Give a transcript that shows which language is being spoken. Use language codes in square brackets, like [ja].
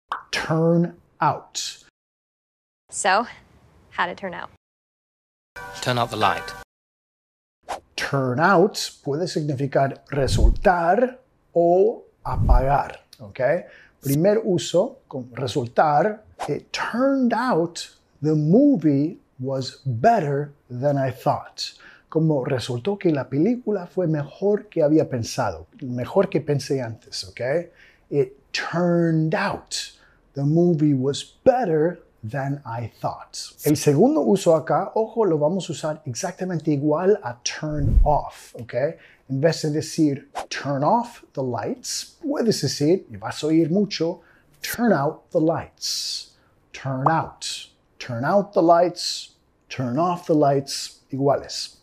[en] Turn out. So, how to turn out? Turn out the light. [es] Turn out puede significar resultar o apagar, ¿ok? Primer uso, con resultar. [en] It turned out the movie was better than I thought. [es] Como resultó que la película fue mejor que había pensado, mejor que pensé antes, ¿ok? [en] It turned out the movie was better than I thought. [es] El segundo uso acá, ojo, lo vamos a usar exactamente igual a turn off, ¿ok? En vez de decir [en] turn off the lights, [es] puedes decir, y vas a oír mucho, [en] turn out the lights. Turn out. Turn out the lights. Turn off the lights. Iguales.